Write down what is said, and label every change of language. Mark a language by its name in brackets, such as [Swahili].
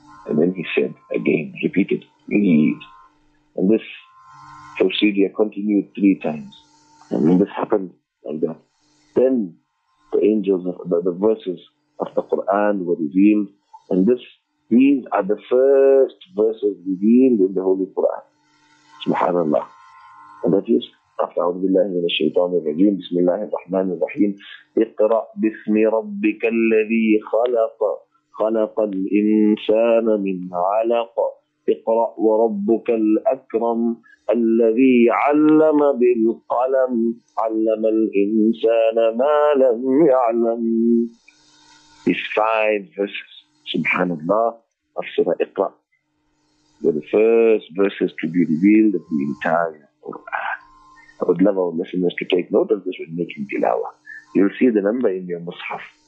[English] And then he said again, repeated, read. And this procedure continued 3 times. And when this happened like that, then the angels, the verses of the Quran were revealed. And these are the first verses revealed in the Holy Quran. Subhanallah. And that is, [Arabic] أعوذ بالله من الشيطان الرجيم بسم الله الرحمن الرحيم اقرأ باسم ربك الذي خلق خلق الإنسان من علق اقرأ وربك الأكرم الذي علم بالقلم علم الإنسان ما لم يعلم. [English] These 5 verses, subhanallah, of Surah Iqra, were the first verses to be revealed of the entire Quran. I would love our listeners to take note of this when making tilawa. You'll see the number in your mushaf.